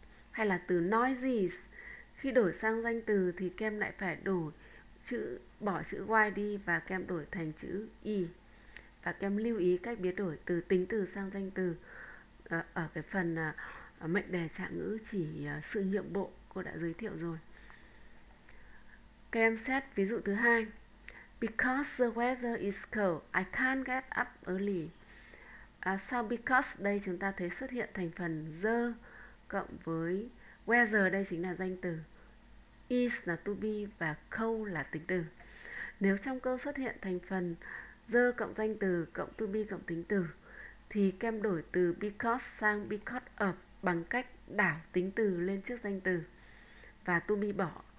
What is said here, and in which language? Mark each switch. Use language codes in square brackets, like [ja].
[vi] Hay là từ noisy, khi đổi sang danh từ thì các em lại phải đổi chữ bỏ chữ y đi và các em đổi thành chữ y. Và các em lưu ý cách biến đổi từ tính từ sang danh từ ở cái phần mệnh đề trạng ngữ chỉ sự nhượng bộ cô đã giới thiệu rồi. Các em xét ví dụ thứ hai. [en] Because the weather is cold, I can't get up early. [vi] Sau because đây chúng ta thấy xuất hiện thành phần the cộng với weather, đây chính là danh từ. Is là to be và cold là tính từ. Nếu trong câu xuất hiện thành phần the cộng danh từ cộng to be cộng tính từ thì kem đổi từ because sang because of bằng cách đảo tính từ lên trước danh từ và to be bỏ.